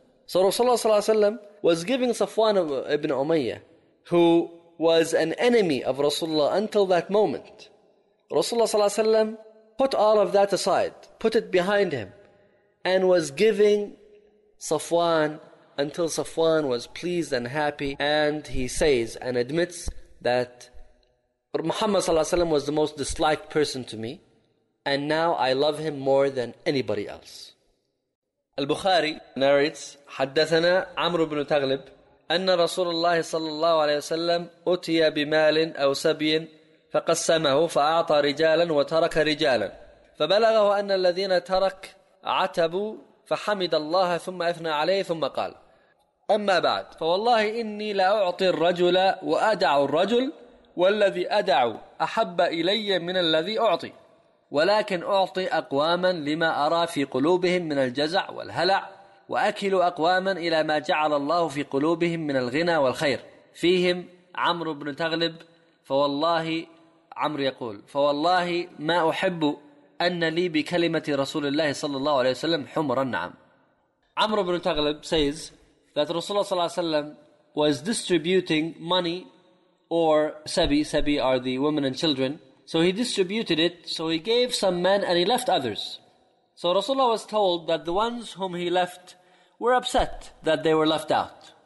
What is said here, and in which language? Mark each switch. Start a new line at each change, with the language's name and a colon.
English: So Rasulullah ﷺ was giving Safwan ibn Umayyah, who was an enemy of Rasulullah until that moment, Rasulullah ﷺ put all of that aside, put it behind him, and was giving Safwan until Safwan was pleased and happy. And he says and admits that Muhammad ﷺ was the most disliked person to me, and now I love him more than anybody else. Al-Bukhari narrates,
Arabic: حَدَّثَنَا عَمْرُ بْنُ تَغْلِبْ أَنَّ رَسُولَ اللَّهِ صَلَّى اللَّهُ عَلَيْهِ وَسَلَّمْ أُتِيَ بِمَالٍ أَوْ سَبِيٍ فقسمه فأعطى رجالا وترك رجالا فبلغه أن الذين ترك عتبوا فحمد الله ثم أثنى عليه ثم قال أما بعد فوالله إني لأعطي الرجل وأدع الرجل والذي أدع أحب إلي من الذي أعطي ولكن أعطي أقواما لما أرى في قلوبهم من الجزع والهلع وأكل أقواما إلى ما جعل الله في قلوبهم من الغنى والخير فيهم عمرو بن تغلب فوالله عمرو يقول فوالله ما أحب أن لي بكلمة رسول الله صلى الله عليه وسلم حمر النعم.
English: عمرو بن تغلب says that Rasulullah صلى الله عليه وسلم was distributing money or sabi are the women and children. So he distributed it. So he gave some men and he left others. So Rasulullah was told that the ones whom he left were upset that they were left out.